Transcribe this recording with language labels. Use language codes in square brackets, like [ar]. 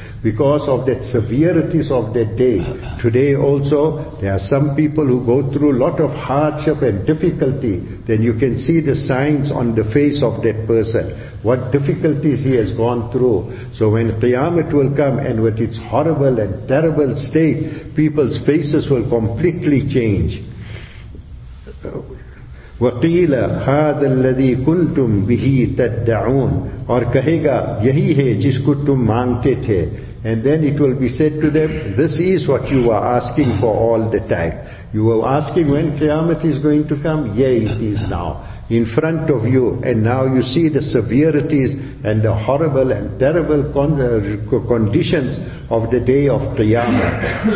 [en] Because of that severities of that day. Today also, there are some people who go through a lot of hardship and difficulty. Then you can see the signs on the face of that person, what difficulties he has gone through. So when Qiyamah will come, and with its horrible and terrible state, people's faces will completely change. [ar] وَقِيلَ هَذَا الَّذِي كُنْتُمْ بِهِ تَدَّعُونَ [ur] اور کہے گا یہی ہے جس کو تم مانگتے تھے. [en] And then it will be said to them, this is what you were asking for all the time. You were asking when Qiyamah is going to come. Yeah, it is now in front of you. And now you see the severities and the horrible and terrible conditions of the day of Qiyamah.